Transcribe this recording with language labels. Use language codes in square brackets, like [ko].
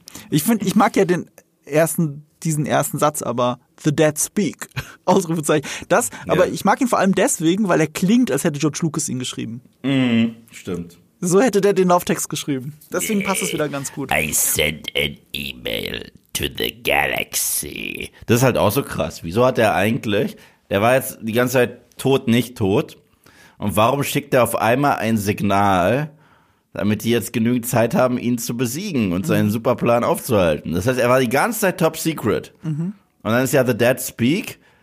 [de] Ich mag ja diesen ersten Satz, aber The Dead Speak. Ausrufezeichen. Aber ich mag ihn vor allem deswegen, weil er klingt, als hätte George Lucas ihn geschrieben. Stimmt. So hätte der den Lauftext geschrieben. Deswegen passt es wieder ganz gut. [en] I sent an email to the galaxy. [de] Das ist halt auch so krass. Wieso hat er eigentlich, der war jetzt die ganze Zeit tot, nicht tot. Und warum schickt er auf einmal ein Signal, damit die jetzt genügend Zeit haben, ihn zu besiegen und seinen Superplan aufzuhalten? Das heißt, er war die ganze Zeit top secret. Und dann ist ja The Dead Speak.